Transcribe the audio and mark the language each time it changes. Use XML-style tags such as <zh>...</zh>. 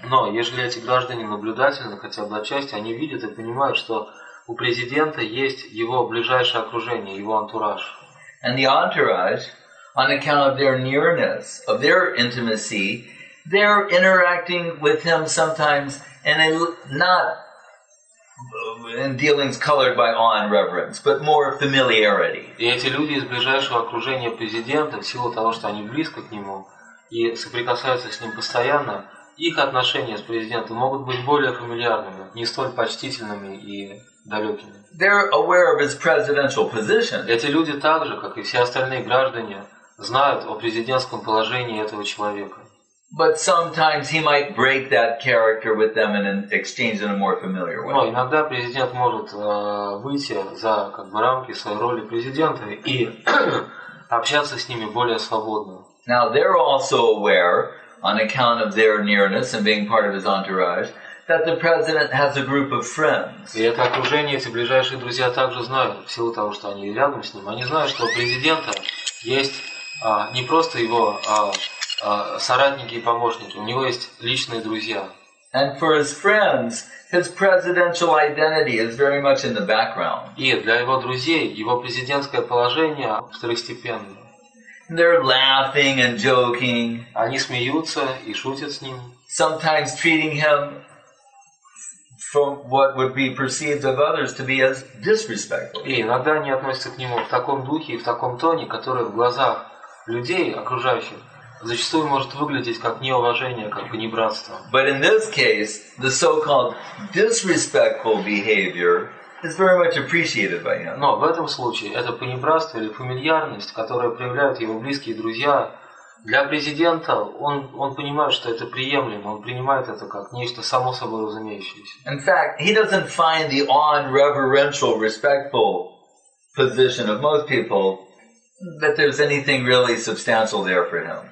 <ru>Но если эти граждане наблюдательны хотя бы отчасти, они видят и понимают, что у президента есть его ближайшее окружение, его антураж.</ru> <en>And the entourage, on account of their nearness, of their intimacy, they're interacting with him sometimes in a not in dealings colored by awe and reverence, but more familiarity.</en> <ru>И эти люди из ближайшего окружения президента, в силу того, что они близко к нему и соприкасаются с ним постоянно, их отношения с президентом могут быть более фамильярными, не столь почтительными и далекими.</ru> <en>They're aware of his presidential position.</en> <ru>Эти люди также, как и все остальные граждане, знают о президентском положении этого человека.</ru> <en>But sometimes he might break that character with them and exchange in a more familiar way.</en> <ru>Но иногда президент может выйти за как бы рамки своей роли президента и общаться с ними более свободно.</ru> <en>Now they're also aware, on account of their nearness and being part of his entourage, that the president has a group of friends.</en> <ru>И это окружение, эти ближайшие друзья также знают, в силу того, что они рядом с ним, они знают, что у президента есть не просто его соратники и помощники, у него есть личные друзья.</ru> <en>And for his friends, his presidential identity is very much in the background.</en> <ru>И для его друзей его президентское положение второстепенное.</ru> <en>They're laughing and joking.</en> <ru>Они смеются и шутят с ним.</ru> <en>Sometimes treating him from what would be perceived of others to be as disrespectful.</en> <ru>И иногда они относятся к нему в таком духе и в таком тоне, который в глазах людей окружающих зачастую может выглядеть как неуважение, как понебратство.</ru> <en>But in this case, the so-called disrespectful behavior is very much appreciated by him.</en> <ru>Но в этом случае это понебратство или фамильярность, которую проявляют его близкие друзья, для президента он понимает, что это приемлемо, он принимает это как нечто само собой разумеющееся.</ru> <en>In fact, he doesn't find the odd, reverential, respectful position of most people that there's anything really substantial there for him.</en>